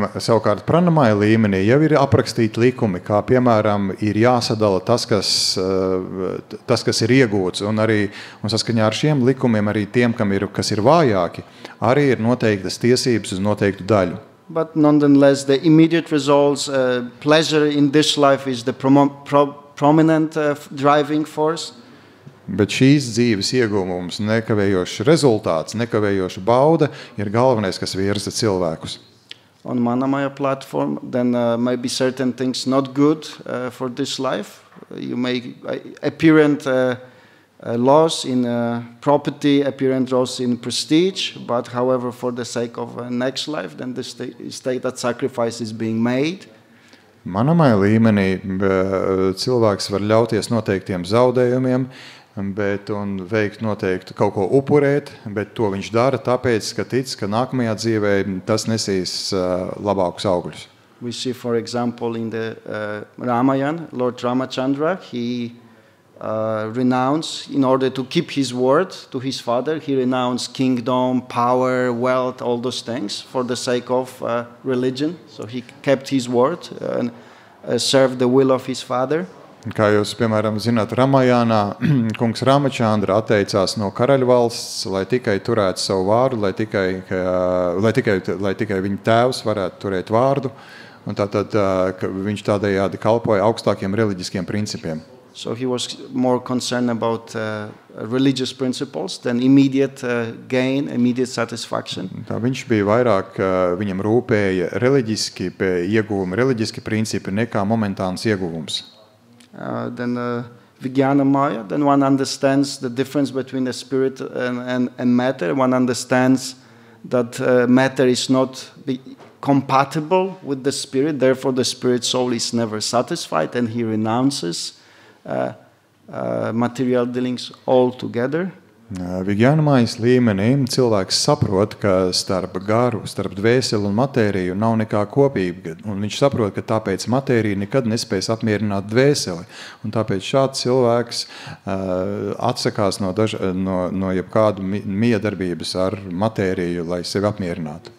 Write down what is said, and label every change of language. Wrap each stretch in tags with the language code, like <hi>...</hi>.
<lv>Savukārt, Pranamaya līmenī jau ir aprakstīti likumi, kā, piemēram, ir jāsadala tas, kas ir iegūts, un arī un saskaņā ar šiem likumiem, arī tiem, kas ir vājāki, arī ir noteiktas tiesības uz noteiktu daļu.</lv> <en>But nonetheless, the immediate results, pleasure in this life is the prominent driving force.</en> <lv>Bet šīs dzīves iegūmums, nekavējošs rezultāts, nekavējoša bauda, ir galvenais, kas virza cilvēkus.</lv> <en>On Anamaya platform, then maybe certain things not good for this life. You may apparent loss in property, apparent loss in prestige, but however for the sake of next life, then the state that sacrifice is being made.</en> <lv>Anamaya līmenī cilvēks var ļauties noteiktiem zaudējumiem, bet un veikt noteikti kaut ko upurēt, bet to viņš dara tāpēc, ka tic, ka nākamajā dzīvē tas nesīs labākus augļus.</lv> <en>We see, for example, in the Ramayana, Lord Ramachandra, he renounced, in order to keep his word to his father, he renounced kingdom, power, wealth, all those things, for the sake of religion. So he kept his word and served the will of his father.</en> <lv>Kā jūs, piemēram, zināt, Ramajānā kungs Ramachandra atteicās no karaļvalsts, lai tikai turētu savu vārdu, lai tikai viņa tēvs varētu turēt vārdu, un tātad viņš tādējādi kalpoja augstākiem reliģiskiem principiem.</lv> <en>So he was more concerned about religious principles than immediate gain, immediate satisfaction.</en> <lv>Tā viņš bija vairāk, viņam rūpēja reliģiski iegūmi, reliģiski principi nekā momentāns ieguvums.</lv> <en>Then Vijnana Maya, then one understands the difference between the spirit and matter. One understands that matter is not compatible with the spirit, therefore the spirit soul is never satisfied and he renounces material dealings altogether.</en> <lv>Vigjānamājas līmenī cilvēks saprot, ka starp garu, starp dvēseli un matēriju nav nekā kopība. Un viņš saprot, ka tāpēc matērija nekad nespēs apmierināt dvēseli. Un tāpēc šāds cilvēks atsakās no jebkādu miedarbības ar matēriju, lai sevi apmierinātu.</lv>